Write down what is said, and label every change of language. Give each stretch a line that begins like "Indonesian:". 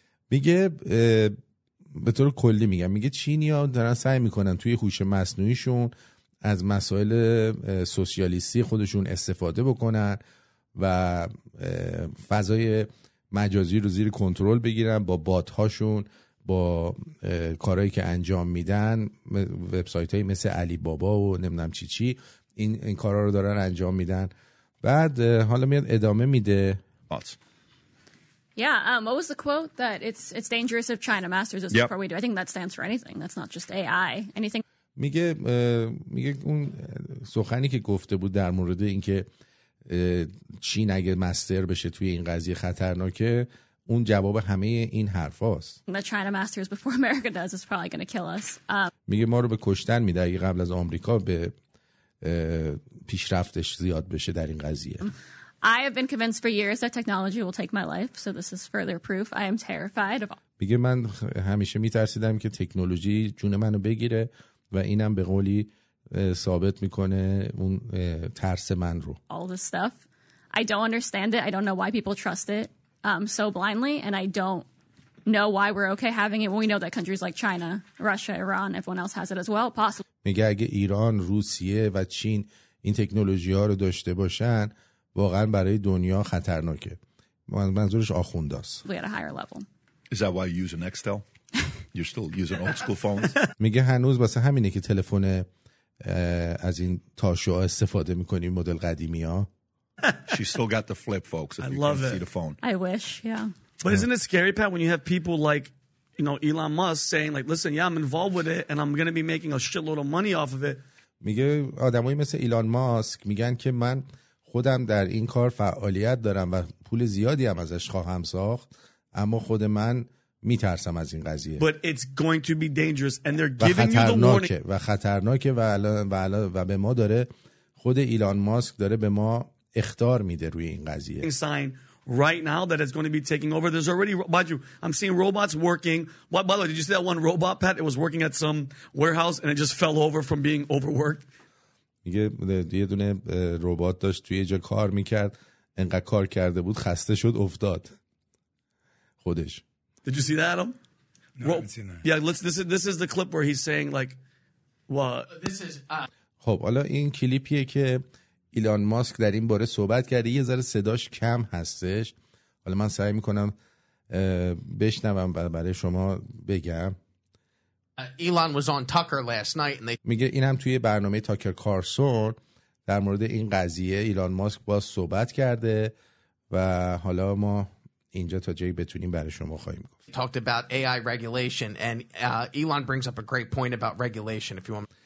Persian: میگه به طور کلی میگه چینی‌ها دارن سعی میکنن توی هوش مصنوعیشون از مسائل سوسیالیستی خودشون استفاده بکنن و فضای مجازی رو زیر کنترل بگیرن با بات‌هاشون، با کارهایی که انجام میدن، وبسایت‌های مثل علی بابا و نمیدونم چی این کارها رو دارن انجام میدن. بعد حالا میاد ادامه میده.
English: What was the quote that it's dangerous if China masters us before we do? I think that stands for anything. That's not just AI. Anything.
Persian: میگه اون سخنی که گفته بود در مورد اینکه چین اگه مستر بشه توی این قضیه خطرناکه، اون جواب همه این حرفاست.
English: That China masters before America does is probably going to kill us.
Persian: میگه ما رو به کشتن میده اگه قبل از آمریکا به پیشرفتش زیاد بشه در این قضیه.
English: I have been convinced for years that technology will take my life, so this is further proof. I am terrified of.
Persian: میگه من همیشه میترسیدم که تکنولوژی جون منو بگیره، و اینم به قولی ثابت میکنه اون ترس من رو.
English: All this stuff, I don't understand it. I don't know why people trust it so blindly, and I don't know why we're okay having it when we know that countries like China, Russia, Iran, everyone else has it as well. Possibly.
Persian: میگه اگه ایران، روسیه و چین این تکنولوژی ها رو داشته باشن، واقعا برای دنیا خطرناکه. منظورش آخونداست.
English: We're at a higher level. Is that why you use an Nextel? You're still using old school phones.
Persian: میگه هنوز واسه همینه که تلفن از این تاشو استفاده میکنی، مدل قدیمی ها.
English: She still got the flip, folks. If I you love it. See the phone. I wish, yeah. But isn't it scary, Pat, when you have people like, you know, Elon Musk saying like, listen, yeah, I'm involved with it and I'm going to be making a shitload of money off of it.
Persian: میگه آدمایی مثل ایلان ماسک میگن که من خودم در این کار فعالیت دارم و پول زیادی هم ازش خواهم ساخت، اما خود من میترسم از این قضیه.
English: But it's going to be dangerous and they're giving you the warning.
Persian: و خطرناکه، و به ما داره، خود ایلان ماسک داره به ما اخطار میده روی این قضیه.
English: Right now that it's going to be taking over. There's already, I'm seeing robots working. What, by the way, did you see that one robot, Pat? It was working at some warehouse and it just fell over from being overworked.
Persian: یه دونه ربات داشت توی یه جا کار میکرد، انقدر کار کرده بود خسته شد افتاد خودش.
English: Did you see that, Adam? No, I haven't seen that. Yeah, this is the clip where he's saying like, what? This is.
Persian: خب حالا این کلیپیه که ایلان ماسک در این باره صحبت کرده، یه ذره صداش کم هستش. حالا من سعی میکنم بشنوم برای شما بگم.
English: Elon was on Tucker last night and they
Persian: میگه اینم توی برنامه تاکر کارسون در مورد این قضیه ایلان ماسک باز صحبت کرده و حالا ما اینجا تا جایی بتونیم برای شما خواهیم گفت.
English: Talked about AI regulation and Elon brings up a great point about regulation if you want.